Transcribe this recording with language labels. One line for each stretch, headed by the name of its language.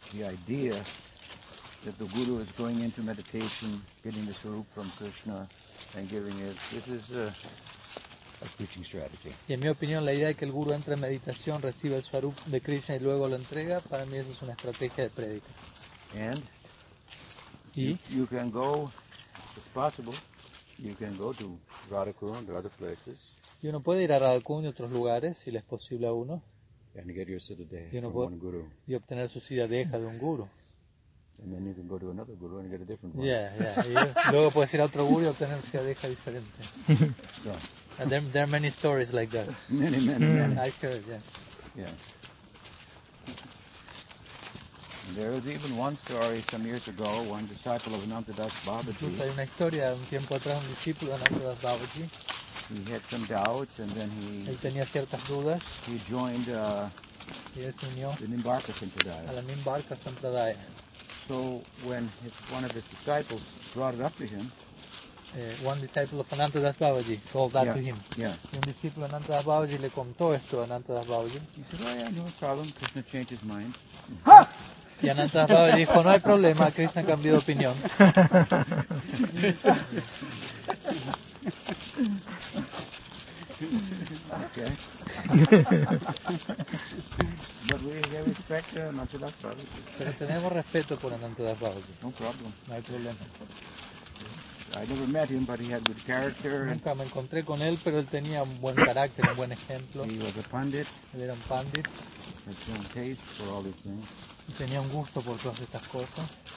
English: the idea that the guru is going into meditation, getting the swarup from Krishna, and giving it, this is a teaching strategy.
Spanish: Y en mi opinión, la idea de que el guru entre en meditación, recibe el swarup de Krishna y luego lo entrega, para mí eso es una estrategia de prédica.
English: And you can go, it's possible, you can go to Radhakuru and other places.
Spanish: Y uno puede ir a Radhakuru y otros lugares, si le es posible a uno.
English: And get your siddhadeha from one guru.
Spanish: Y obtener su siddhadeha de un guru.
English: And then you can go to another guru and get a different one. Yeah, yeah.
Spanish: Luego puedes ir a otro guru y obtener siddhadeha diferente.
English: So. And there are many stories like that. Many. I heard, yeah. Yeah. And there was even one story some years ago, one disciple of Anantadas Babaji.
Spanish: Hay una historia un tiempo atrás, un discípulo de Anantadas Babaji.
English: He had some doubts and then he...
Spanish: Él tenía ciertas dudas.
English: He joined the Nimbarka Sampradaya.
Spanish: A la Nimbarka Sampradaya.
English: So when one of his disciples brought it up to him, One disciple of Anantadas Babaji told that to him. Yeah.
Spanish: Y un discípulo de Anantadas Babaji le contó esto a Anantadas Babaji.
English: He said, oh yeah, no problem, Krishna changed his mind.
Spanish: Y Anantadas Babaji dijo, no hay problema, Krishna cambió de opinión.
English: Okay. But we respect Anantadas Babaji.
Spanish: Pero tenemos respeto por Anantadas Babaji.
English: No problem.
Spanish: No hay problema.
English: I never met him, but he had good character.
Spanish: Nunca me encontré con él, pero él tenía un buen carácter, un buen ejemplo.
English: He was a pundit.
Spanish: Él era un pundit.
English: Had some taste for all these things.
Spanish: Y tenía un gusto por todas estas cosas.